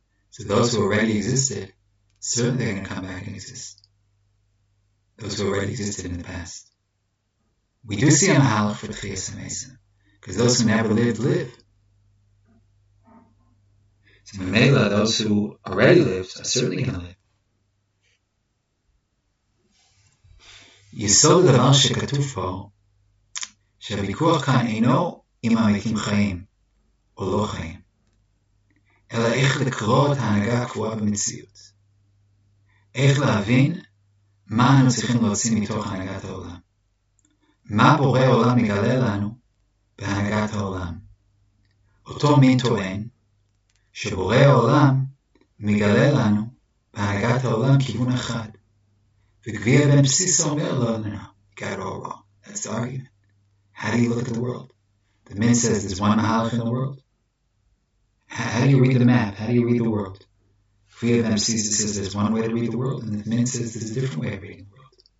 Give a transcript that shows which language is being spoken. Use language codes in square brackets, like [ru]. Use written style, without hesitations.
[en] So those who already existed, certainly they're going to come back and exist. Those who already existed in the past. We do see a mahalach for Tchiyas HaMeisim, because those who never lived, live. So Mela, those who already lived, are certainly going to live. [he] Yisod davar shekatuf po, שהוויכוח כאן אינו אם המתים חיים או לא חיים, אלא איך לקרוא את ההנהגה הקבועה במציאות. איך להבין מה אנו צריכים להוציא מתוך הנהגת העולם. מה בורא העולם מגלה לנו בהנהגת העולם. אותו מין טוען שבורא העולם מגלה לנו בהנהגת העולם כיוון אחד. [en] וגביע בן בסיס [he] אומר לו, [en] no, you got it all wrong. That's the argument. How do you look at the world? The Min says there's one Mahalach in the world. How do you read the map? How do you read the world? Kviya ben Msisa says there's one way to read the world, and the Min says there's a different way of reading the world.